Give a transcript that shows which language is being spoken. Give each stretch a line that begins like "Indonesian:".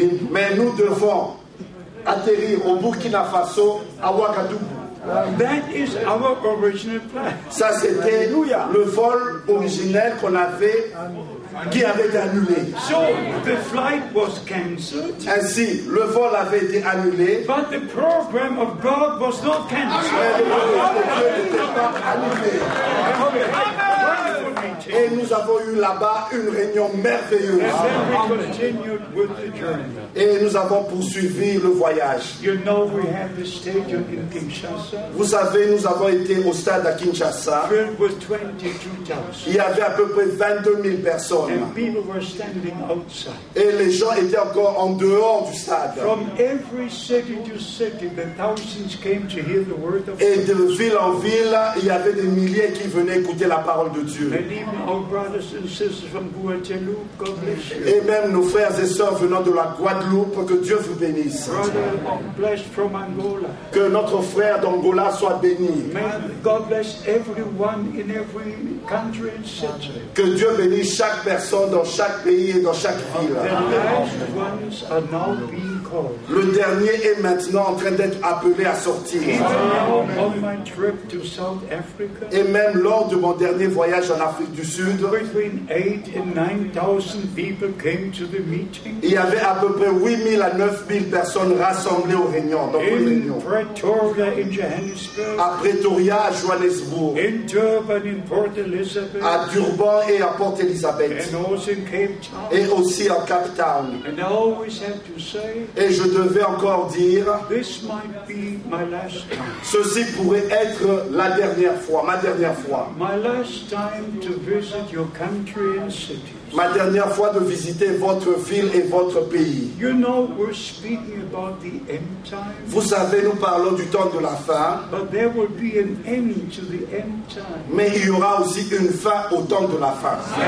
French: Mais nous devons atterrir au Burkina Faso à Ouagadougou.
English: That is our original plan.
French: Ça c'était le vol originel qu'on avait, qui avait été annulé.
English: So the flight was cancelled.
French: Ainsi, le vol avait été annulé.
English: But the program of God was not cancelled.
French: Le programme de Dieu n'était pas annulé. Et nous avons eu là-bas une réunion merveilleuse.
English: And then we continued with the journey.
French: Et nous avons poursuivi le voyage.
English: You know, we have the stadium in Kinshasa.
French: Vous savez, nous avons été au stade à Kinshasa.
English: Filled with 22,000.
French: Il y avait à peu près 22 000 personnes.
English: And people were standing outside.
French: Et les gens étaient encore en dehors du stade.
English: From every city to city, the thousands came to hear the word of God.
French: Et de ville en ville, il y avait des milliers qui venaient écouter la parole de Dieu.
English: Our brothers and sisters from Guadeloupe, God bless you.
French: Et même nos frères et sœurs venant de la Guadeloupe, que Dieu vous bénisse.
English: Brother, bless from Angola.
French: Que notre frère d'Angola soit béni.
English: God bless everyone in every country and city.
French: Que Dieu bénisse chaque personne dans chaque pays et dans chaque ville.
English: The last ones are now being called.
French: Le dernier est maintenant en train d'être appelé à sortir.
English: Even now, on my trip to South Africa.
French: Et même lors de mon dernier voyage en Afrique du Sud,
English: between 8,000 and 9,000 people came to the meeting.
French: Il y avait à peu près 8,000 à 9,000 personnes rassemblées aux réunions.
English: In Pretoria, in Johannesburg.
French: À Pretoria, à Johannesburg.
English: In Durban, in Port Elizabeth.
French: À Durban et à Port Elizabeth.
English: And also in Cape Town.
French: Et aussi en Cape Town.
English: And I always have to say.
French: Et je devais encore dire.
English: This might be my last time.
French: Ceci pourrait être la dernière fois, ma dernière fois.
English: My last time. To visit your country and cities.
French: Ma dernière fois de visiter votre ville et votre pays.
English: You know, we're speaking about the end time.
French: Vous savez, nous parlons du temps de la fin.
English: But there will be an end to the end time.
French: Mais il y aura aussi une fin au temps de la fin.